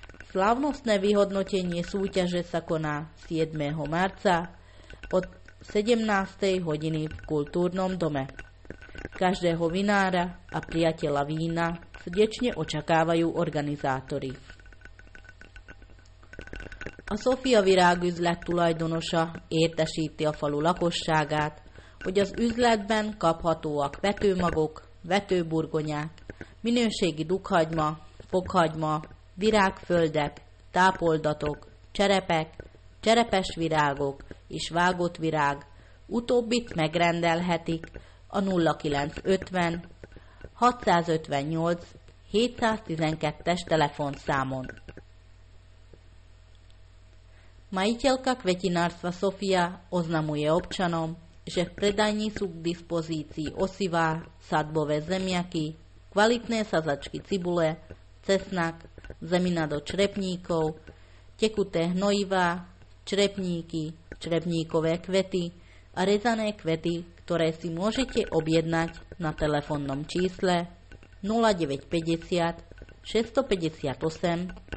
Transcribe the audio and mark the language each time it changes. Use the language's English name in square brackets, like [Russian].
[Slovak] Slávnostné vyhodnotenie súťaže sa koná 7. marca od 17. hodiny v kultúrnom dome. Každého vinára a priateľa vína srdečne očakávajú organizátori. [Hungarian] A Sofia virágüzlet tulajdonosa értesíti a falu lakosságát, hogy az üzletben kaphatóak vetőmagok, vetőburgonyák, minőségi dughagyma, fokhagyma, virágföldek, tápoldatok, cserepek, cserepes virágok és vágott virág, utóbbit megrendelhetik a 0950 658 712-es telefonszámon. [Slovak] Majiteľka kvetinárstva Sofia oznamuje občanom, že v predajni sú k dispozícii osivá, sadbové zemiaky, kvalitné sazačky cibule, cesnak, zemina do črepníkov, tekuté hnojivá, črepníky, črepníkové kvety a rezané kvety, ktoré si môžete objednať na telefónnom čísle 0950 658 712.